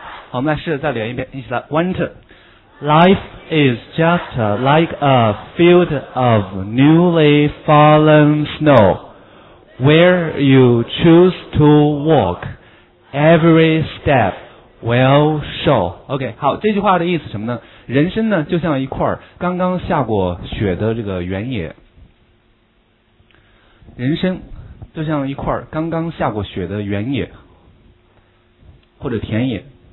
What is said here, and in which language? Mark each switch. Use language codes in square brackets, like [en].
[zh] 好我们来试着再连一遍一起来 Winter. [en] Life is just like a field of newly fallen snow. Where you choose to walk, every step will show. [zh] OK, 好，这句话的意思是什么呢？人生呢，就像一块刚刚下过雪的这个原野。人生就像一块刚刚下过雪的原野，或者田野。